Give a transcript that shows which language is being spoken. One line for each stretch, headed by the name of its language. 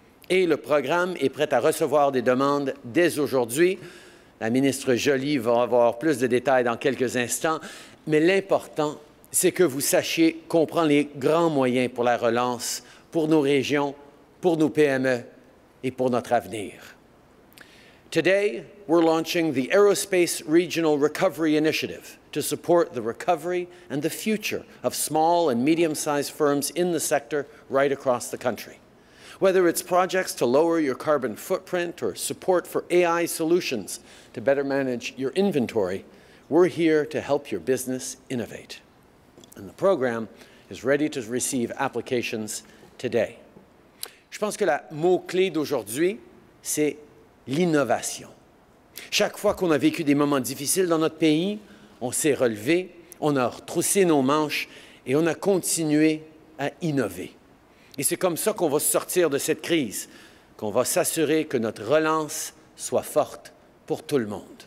French: Et le programme est prêt à recevoir des demandes dès aujourd'hui. La ministre Joly va avoir plus de détails dans quelques instants, mais l'important, c'est que vous sachiez qu'on prend les grands moyens pour la relance, pour nos régions, pour nos PME et pour notre avenir.
English: Today, we're launching the Aerospace Regional Recovery Initiative to support the recovery and the future of small and medium-sized firms in the sector right across the country. Whether it's projects to lower your carbon footprint or support for AI solutions to better manage your inventory, we're here to help your business innovate. And the program is ready to receive applications today.
French: Je pense que la mot-clé d'aujourd'hui, c'est l'innovation. Chaque fois qu'on a vécu des moments difficiles dans notre pays, on s'est relevé, on a retroussé nos manches et on a continué à innover. Et c'est comme ça qu'on va sortir de cette crise, qu'on va s'assurer que notre relance soit forte pour tout le monde.